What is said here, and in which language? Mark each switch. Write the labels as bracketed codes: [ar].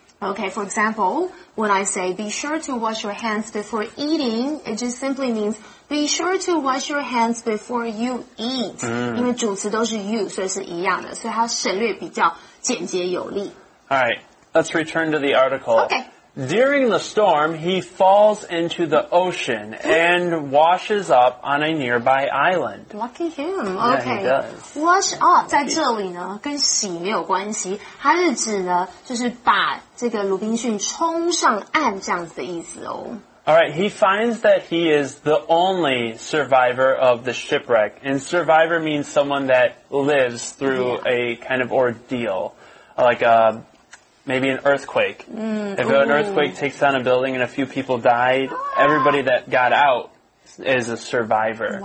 [en] Okay, for example, when I say, be sure to wash your hands before eating, it just simply means, be sure to wash your hands before you eat. [zh] 因为主词都是 you, 所以是一样的。所以它省略比较简洁有力。 [en] All right, let's return to the article. Okay. During the storm, he falls into the ocean and washes up on a nearby island. Lucky him. Okay. Yeah, [zh] wash up 在这里呢跟洗没有关系，它是指呢就是把这个鲁滨逊冲上岸这样子的意思哦。 [en] Alright, he finds that he is the only survivor of the shipwreck. And survivor means someone that lives through a kind of ordeal. Like maybe an earthquake. If an earthquake takes down a building and a few people died, everybody that got out is a survivor.